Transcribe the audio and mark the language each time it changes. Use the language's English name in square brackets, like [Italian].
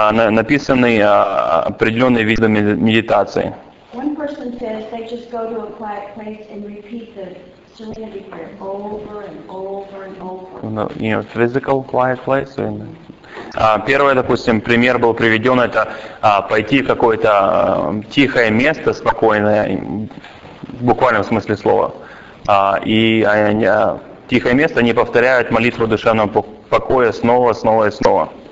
[Russian] Написаны определенные виды медитации. [English] One person says they just go to a quiet place and repeat the serenity prayer over and over and over. You know, physical quiet place. [Russian] Первое, допустим, пример был приведен, это пойти в какое-то тихое место, спокойное, в буквальном смысле слова. Тихое место, они повторяют молитву душевного покоя снова, снова и снова.